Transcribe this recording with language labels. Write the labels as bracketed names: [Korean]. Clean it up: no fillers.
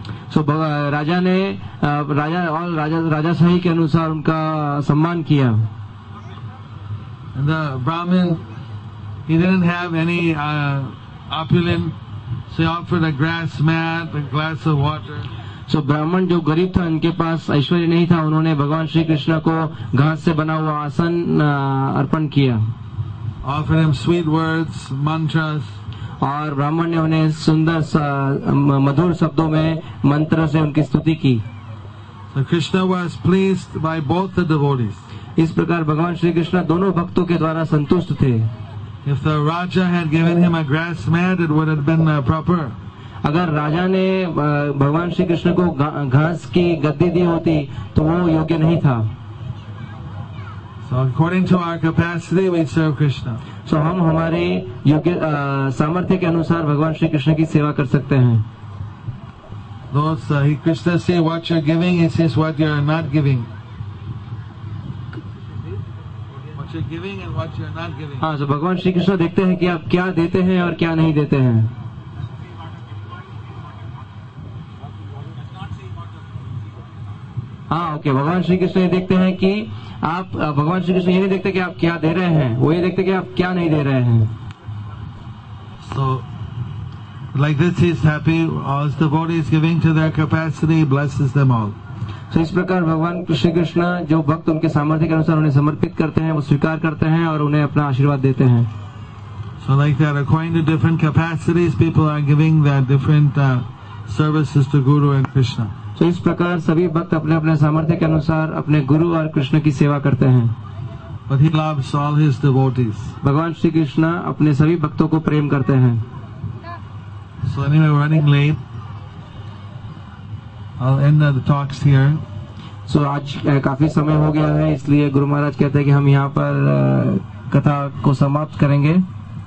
[Hindi] So राजा ने राजा और राजा राजा सही के अनुसार उनका सम्मान किया. [English] And the Brahmin, he didn't have any opulent, so he offered a grass mat, a glass of water. [Hindi] So Brahmin जो गरीब था उनके पास ऐश्वर्य नहीं था, उन्होंने भगवान श्री कृष्ण को घास से बना हुआ आसन अर्पण किया. [English] Offered him sweet words, mantras. [Hindi] और ब्राह्मण ने उन्हें सुंदर मधुर शब्दों में मंत्र से उनकी स्तुति की. [English] So Krishna was pleased by both the devotees. [Hindi] इस प्रकार भगवान श्री कृष्ण दोनों भक्तों के द्वारा संतुष्ट थे. [English] If the Raja had given him a grass mat, it would have been proper. [Hindi] अगर राजा ने भगवान श्री कृष्ण को घास की गद्दी दी होती तो वो योग्य नहीं था. [English] So according to our capacity, we serve Krishna. [Hindi] So हम हमारे योग्य सामर्थ्य के अनुसार भगवान श्री कृष्ण की सेवा कर सकते हैं. [English] Krishna says, what you're giving, he says, what you are not giving. [Hindi] हाँ, तो भगवान श्री कृष्ण देखते हैं कि आप क्या देते हैं और क्या नहीं देते हैं. हाँ ओके, भगवान श्री कृष्ण ये देखते हैं कि आप भगवान श्री कृष्ण ये नहीं देखते कि आप क्या दे रहे हैं, वो ये देखते कि आप क्या नहीं दे रहे हैं. [English] So like this he is happy as the body is giving to their capacity, blesses them all. [Hindi] तो इस प्रकार भगवान श्री कृष्ण जो भक्त उनके सामर्थ्य के अनुसार उन्हें समर्पित करते हैं वो स्वीकार करते हैं और उन्हें अपना आशीर्वाद देते हैं. [English] So like that, according to different capacities, people are giving their different services to Guru and Krishna. [Hindi] तो इस प्रकार सभी भक्त अपने अपने सामर्थ्य के अनुसार अपने गुरु और कृष्ण की सेवा करते हैं. [English] But he loves all his devotees. [Hindi] भगवान श्री कृष्ण अपने सभी भक्तों को प्रेम करते हैं. [English] So anyway, running late. I'll end the talks here. [Hindi] So आज काफी समय हो गया है, इसलिए गुरु महाराज कहते हैं कि हम यहाँ पर कथा को समाप्त करेंगे.